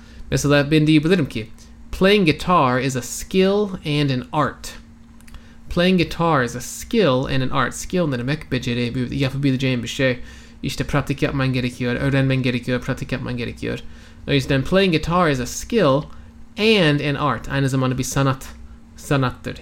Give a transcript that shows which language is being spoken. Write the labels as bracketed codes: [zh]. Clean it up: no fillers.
[tr] Mesela ben diyebilirim ki, [en] playing guitar is a skill and an art. Playing guitar is a skill and an art. [tr] Skill ne demek? Beceri, yapabileceğin bir şey. İşte pratik yapman gerekiyor, öğrenmen gerekiyor, pratik yapman gerekiyor. O yüzden [en] playing guitar is a skill and an art. [tr] Aynı zamanda bir sanattır.